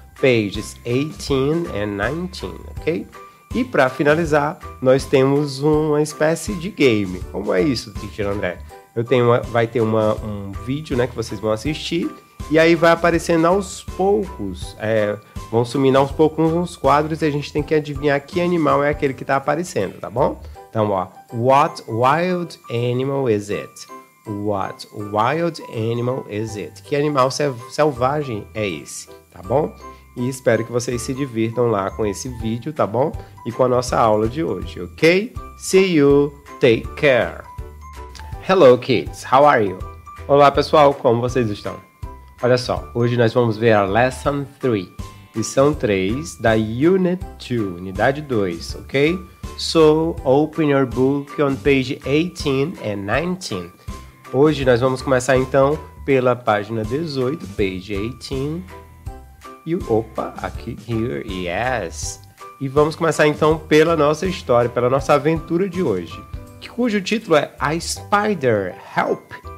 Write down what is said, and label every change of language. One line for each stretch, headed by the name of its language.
English: Pages 18 and 19,
Portuguese: ok? E para finalizar, nós temos uma espécie de game. Como é isso, Teacher André? Vai ter um vídeo, né, que vocês vão assistir. E aí vai aparecendo aos poucos, vão sumindo aos poucos uns quadros e a gente tem que adivinhar que animal é aquele que está aparecendo, tá bom? Então, ó,
English: what wild animal is it? What wild animal is it?
Portuguese: Que animal selvagem é esse, tá bom? E espero que vocês se divirtam lá com esse vídeo, tá bom? E com a nossa aula de hoje, ok?
English: See you, take care. Hello kids, how are you?
Portuguese: Olá pessoal, como vocês estão? Olha só, hoje nós vamos ver a Lesson 3, lição 3 da Unit 2, unidade 2, ok?
English: So, open your book on page 18 and 19.
Portuguese: Hoje nós vamos começar então pela página 18, page 18. E, opa, aqui,
English: here, yes.
Portuguese: E vamos começar então pela nossa história, pela nossa aventura de hoje, cujo título é A Spider, Help!